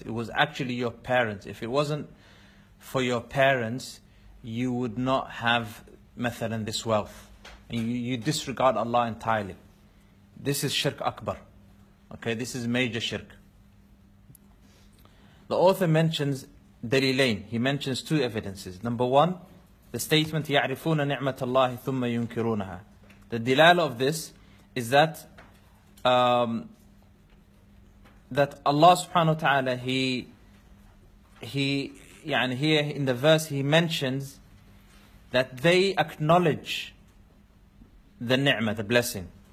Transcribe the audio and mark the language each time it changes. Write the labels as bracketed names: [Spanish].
[English] It was actually your parents. If it wasn't for your parents, you would not have مثلاً this wealth. And you disregard Allah entirely. This is shirk akbar. Okay, this is major shirk. The author mentions دليلين. He mentions two evidences. Number one, the statement [Arabic] يعرفون نعمة الله ثم ينكرونها. [English] The dilala of this is that that Allah subhanahu wa ta'ala, he here in the verse he mentions that they acknowledge the ni'mah, the blessing.